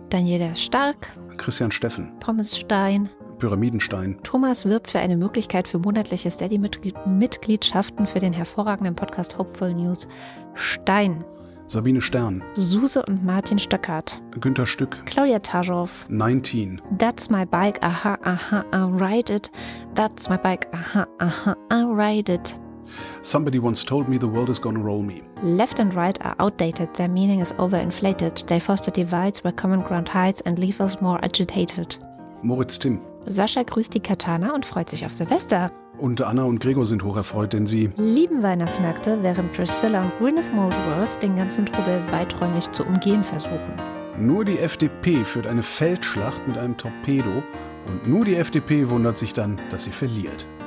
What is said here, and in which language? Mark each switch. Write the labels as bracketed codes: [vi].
[de] Daniela Stark. Christian Steffen. Pommes Stein. Pyramidenstein. Thomas wirbt für eine Möglichkeit für monatliche Steady-Mitgliedschaften für den hervorragenden Podcast Hopeful News. Stein. Sabine Stern. Suse und Martin Stöckert. Günther Stück. Claudia Tajow. 19. [en] That's my bike, aha, aha, I ride it. That's my bike, aha, aha, I ride it. Somebody once told me the world is gonna roll me. Left and right are outdated, their meaning is overinflated. They foster divides where common ground hides and leave us more agitated. [de] Moritz Timm. Sascha grüßt die Katana und freut sich auf Silvester. Und Anna und Gregor sind hocherfreut, denn sie lieben Weihnachtsmärkte, während Priscilla und Gwyneth Moldworth den ganzen Trubel weiträumig zu umgehen versuchen. Nur die FDP führt eine Feldschlacht mit einem Torpedo und nur die FDP wundert sich dann, dass sie verliert.